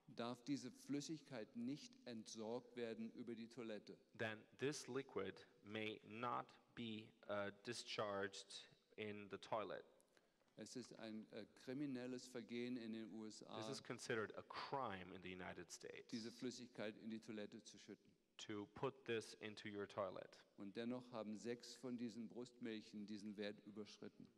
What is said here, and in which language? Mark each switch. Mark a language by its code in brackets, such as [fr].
[de] darf diese Flüssigkeit nicht entsorgt werden über die Toilette. [en] Then this liquid may not be discharged in the toilet. [de] Es ist ein kriminelles Vergehen in den USA. [en] This is considered a crime in the United States. [de] Diese Flüssigkeit in die Toilette zu schütten. [en] To put this into your toilet. [de] Und dennoch haben 6 von diesen Brustmilchen diesen Wert überschritten.